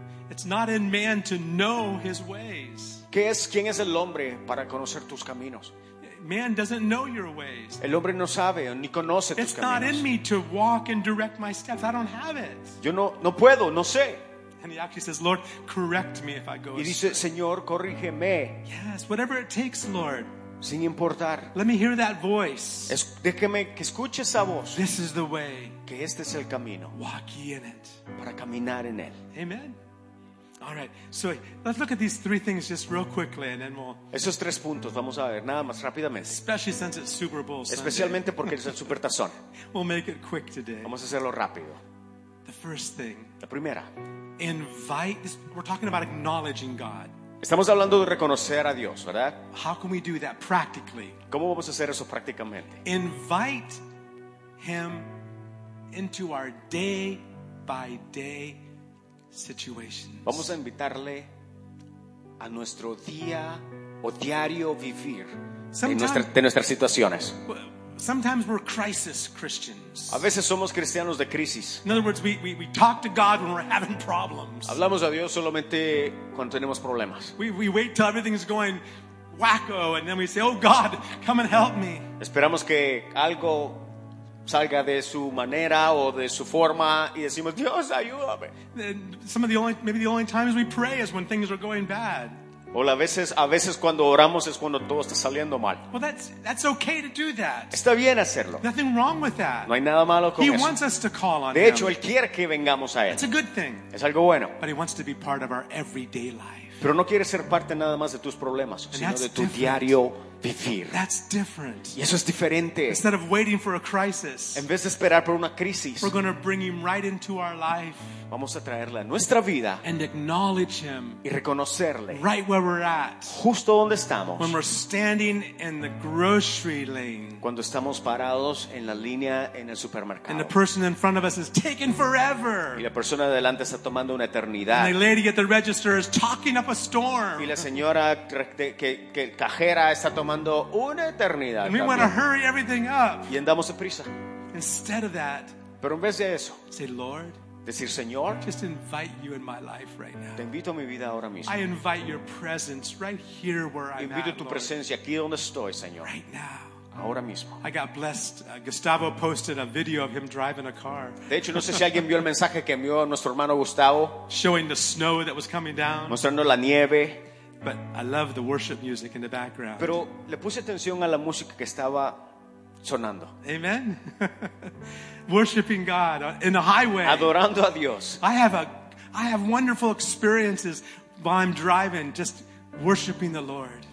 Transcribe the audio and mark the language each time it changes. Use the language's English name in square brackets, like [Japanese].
[English] It's not in man to know his ways. [Spanish] ¿Qué es, quién es el hombre para conocer tus caminos? [English] Man doesn't know your ways. [Spanish] El hombre no sabe ni conoce [English] it's [Spanish] tus caminos. [English] It's not in me to walk and direct my steps. I don't have it. [Spanish] Yo no puedo, no sé. [English] And he actually says, Lord, correct me if I go. [Spanish] Y dice, Señor, corrígeme. [English] Yes, whatever it takes, Lord. [Spanish] Sin importar. [English] Let me hear that voice. [Spanish] Déjeme que escuche esa voz. [English] This is the way. [Spanish] Que este es el camino. [English] Walk in it. [Spanish] Para caminar en él. [English] Amen. All right. So let's look at these three things just real quickly, and then we'll. [Spanish] Esos tres puntos vamos a ver nada más rápidamente. [English] Especially since it's Super Bowl Sunday. [Spanish] Especialmente porque es el Super Tazón. [English] We'll make it quick today. [Spanish] Vamos a hacerlo rápido. [English] The first thing. [Spanish] La primera. [English] Invite. We're talking about acknowledging God. [Spanish] Estamos hablando de reconocer a Dios, ¿verdad? [English] How can we do that practically? [Spanish] ¿Cómo vamos a hacer eso prácticamente? [English] Invite him into our day by day situations. [Spanish] Vamos a invitarle a nuestro día o diario vivir de nuestras situaciones. [English] Sometimes we're crisis Christians. [Spanish] A veces somos cristianos de crisis. [English] In other words, we talk to God when we're having problems. [Spanish] Hablamos a Dios solamente cuando tenemos problemas. [English] We wait till everything's going wacko and then we say, "Oh God, come and help me." [Spanish] Esperamos que algo salga de su manera o de su forma y decimos, "Dios, ayúdame." [English] Some of the only times we pray is when things are going bad. [Spanish] O a veces cuando oramos es cuando todo está saliendo mal. [English] Well, that's okay to do that. [Spanish] Está bien hacerlo. [English] Nothing wrong with that. [Spanish] No hay nada malo con [English] he [Spanish] eso. [English] Wants us to call on [Spanish] de hecho, [English] him. [Spanish] Él quiere que vengamos a él. [English] It's a good thing. [Spanish] Es algo bueno. [English] But he wants to be part of our everyday life. [Spanish] Pero no quieres ser parte nada más de tus problemas, sino de tu [English] different. [Spanish] Diario vivir. [English] That's different. [Spanish] Y eso es diferente. [English] Instead of waiting for a crisis, [Spanish] en vez de esperar por una crisis, [English] we're going to bring him right into our life. [Spanish] Vamos a traerle a nuestra vida [English] and acknowledge him [Spanish] y reconocerle [English] right where we're at, [Spanish] justo donde estamos. [English] When we're standing in the grocery lane, [Spanish] cuando estamos parados en la línea en el supermercado, [English] and the person in front of us is taking forever, [Spanish] y la persona de adelante está tomando una eternidad, [English] and the lady at the register is talking up a storm, [Spanish] y la señora que cajera está tomando una eternidad, [English] and we want to hurry everything up, [Spanish] y andamos de prisa. [English] Instead of that, [Spanish] pero en vez de eso, [English] say, Lord, [Spanish] decir, Señor, [English] just invite you in my life right now. [Spanish] Te invito a mi vida ahora mismo. [English] I invite your presence right here where I'm at. [Spanish] Invito tu presencia aquí donde estoy, Señor. [English] Right now. [Spanish] Ahora mismo. [English] I got blessed. Gustavo posted a video of him driving a car. [Spanish] De hecho, no sé si alguien vio el mensaje que envió nuestro hermano Gustavo. [English] Showing the snow that was coming down. [Spanish] Mostrando la nieve. [English] But I love the worship music in the background. [Spanish] Pero le puse atención a la música que estaba sonando. [English] Amen. Worshiping God in the highway. [Spanish] Adorando a Dios. [English] I have wonderful experiences while I'm driving, just worshiping the Lord.